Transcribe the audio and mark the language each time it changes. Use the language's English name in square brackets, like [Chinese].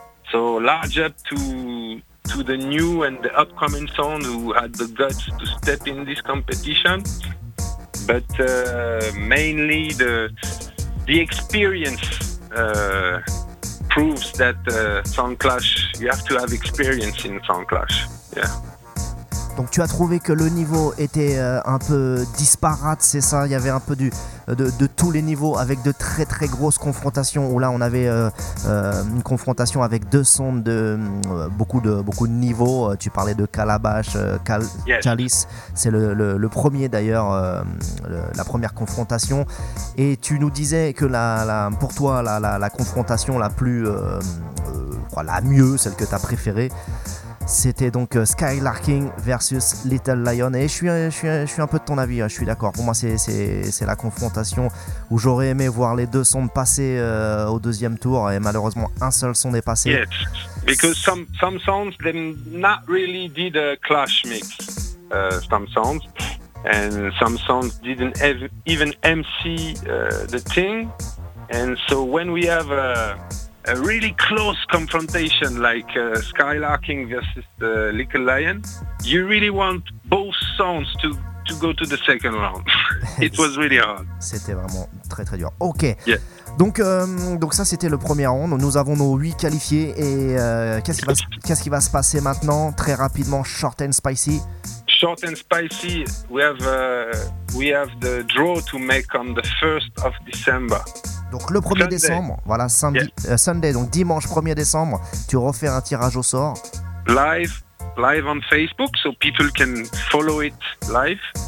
[English] So large up to the new and the upcoming song who had the guts to step in this competition. But mainly the experience proves that Sound Clash, you have to have experience in Sound Clash. Yeah. [French] Donc tu as trouvé que le niveau était un peu disparate, c'est ça? Il y avait un peu de tous les niveaux avec de très très grosses confrontations où là on avait une confrontation avec deux sons de beaucoup de niveaux. Tu parlais de Calabash, Chalice, c'est le premier d'ailleurs, la première confrontation. Et tu nous disais que la confrontation la plus, la mieux, celle que tu as préférée, c'était donc Skylarking versus Little Lion. Et je suis un peu de ton avis, je suis d'accord. Pour moi, c'est la confrontation où j'aurais aimé voir les deux sons passer au deuxième tour. Et malheureusement, un seul son est passé. [English] Yes, because some songs, they not really did a clash mix. Some songs. And some songs didn't even MC the thing. And so when we have... a really close confrontation like Skylarking versus the Little Lion, you really want both songs to go to the second round. It was really hard. [French] C'était vraiment très très dur. Ok. [English] Yeah. [French] Donc ça c'était le premier round. Nous avons nos 8 qualifiés et qu'est-ce qui va se passer maintenant très rapidement? [English] Short and spicy. Short and spicy. We have the draw to make on the 1st of December. [French] Donc le 1er Sunday. Décembre, voilà, samedi, yes. Sunday, donc dimanche 1er décembre, tu refais un tirage au sort. [English] Live on Facebook, so people can follow it live.